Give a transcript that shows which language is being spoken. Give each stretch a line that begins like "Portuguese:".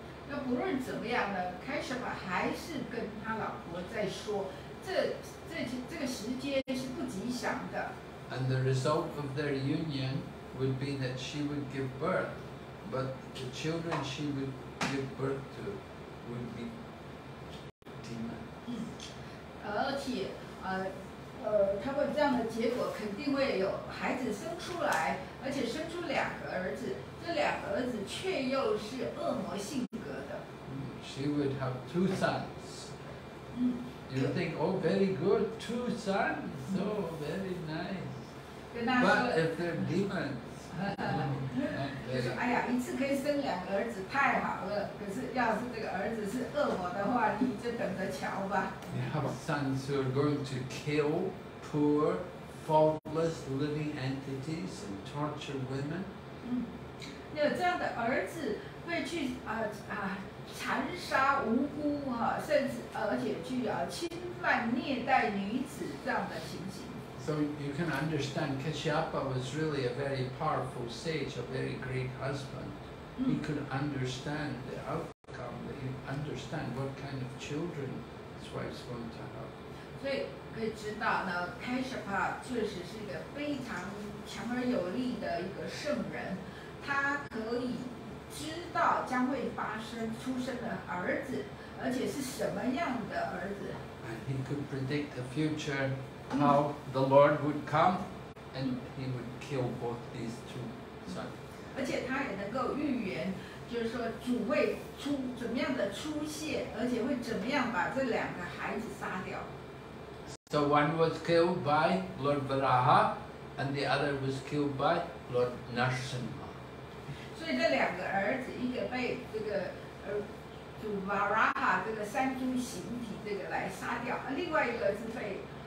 Chinese: 那不论怎么样呢，开始吧，还是跟他老婆在说，这个时间是不吉祥的。
English: And the result of their union would be that she would give birth, but the children she would give birth to would be demons.
Chinese: 而且，他们这样的结果肯定会有孩子生出来，而且生出两个儿子，这两个儿子却又是恶魔性格的。
English: She would have two sons. You think, oh, very good, two sons, so very nice. But if they're demons, you have sons who are going to kill poor, faultless living entities and torture women.
Chinese: 那这样的儿子会去残杀无辜哈，甚至而且去侵犯虐待女子这样的情形。
English: So you can understand Kashyapa was really a very powerful sage, a very great husband. He could understand the outcome, he could understand what kind of children his wife's going to have.
Chinese: 所以可以知道呢， Kashyapa 确实是一个非常强而有力的一个圣人，他可以知道将会发生出生的儿子，而且是什么样的儿子。
English: And he could predict the future. How the Lord would come and he would kill both these two sons.
Chinese: 而且他也能够预言，就是说主会出怎么样的出现，而且会怎么样把这两个孩子杀掉。
English: So one was killed by Lord Varaha and the other was killed by Lord Narasimha.
Chinese: 所以这两个儿子，一个被这个主 Varaha 这个三猪形体这个来杀掉，另外一个是被